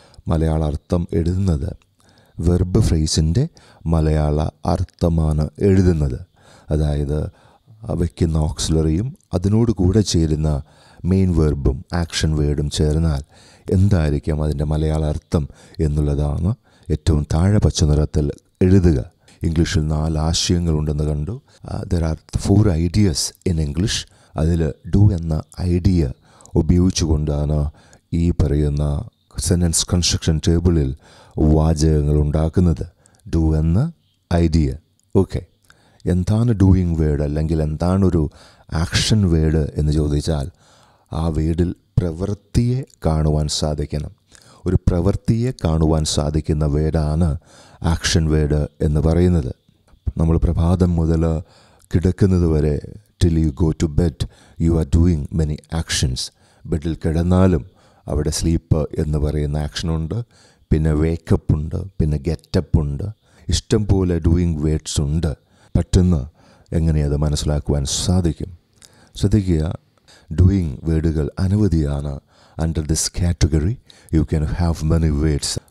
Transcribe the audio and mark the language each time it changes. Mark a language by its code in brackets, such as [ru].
[ml] മലയാള അർത്ഥം എഴുതുന്നത് വെർബ് ഫ്രേസിൻ്റെ മലയാള അർത്ഥമാണ് എഴുതുന്നത്. അതായത് വയ്ക്കുന്ന ഓക്സിലറിയും അതിനോട് കൂടെ ചേരുന്ന മെയിൻ വെർബും ആക്ഷൻ വേർഡും ചേർന്നാൽ എന്തായിരിക്കും അതിൻ്റെ മലയാള അർത്ഥം എന്നുള്ളതാണ് ഏറ്റവും താഴെ പച്ച നിറത്തിൽ എഴുതുക. ഇംഗ്ലീഷിൽ 4 ആശയങ്ങളുണ്ടെന്ന് കണ്ടു. [en] There are 4 ideas in English. [ml] അതിൽ ഡു എന്ന ഐഡിയ ഉപയോഗിച്ചുകൊണ്ടാണ് ഈ പറയുന്ന സെൻറ്റൻസ് കൺസ്ട്രക്ഷൻ ടേബിളിൽ വാചകങ്ങൾ ഉണ്ടാക്കുന്നത്. ഡു എന്ന ഐഡിയ, ഓക്കെ. എന്താണ് ഡൂയിങ് വേർഡ്, അല്ലെങ്കിൽ എന്താണൊരു ആക്ഷൻ വേർഡ് എന്ന് ചോദിച്ചാൽ ആ വേർഡിൽ പ്രവൃത്തിയെ കാണുവാൻ സാധിക്കണം. ഒരു പ്രവൃത്തിയെ കാണുവാൻ സാധിക്കുന്ന വേർഡാണ് ആക്ഷൻ വേർഡ് എന്ന് പറയുന്നത്. നമ്മൾ പ്രഭാതം മുതൽ കിടക്കുന്നത് വരെ [en] till you go to bed, you are doing many actions. [ml] ബെഡിൽ കിടന്നാലും അവിടെ സ്ലീപ്പ് എന്ന് പറയുന്ന ആക്ഷനുണ്ട്, പിന്നെ വേക്കപ്പ് ഉണ്ട്, പിന്നെ ഗെറ്റപ്പ് ഉണ്ട്. ഇഷ്ടം പോലെ ഡൂയിങ് വേർഡ്സ് ഉണ്ട്. പെട്ടെന്ന് എങ്ങനെയത് മനസ്സിലാക്കുവാൻ സാധിക്കും? ശ്രദ്ധിക്കുക, doing വേർഡുകൾ അനവധിയാണ്. [en] Under this category you can have many words.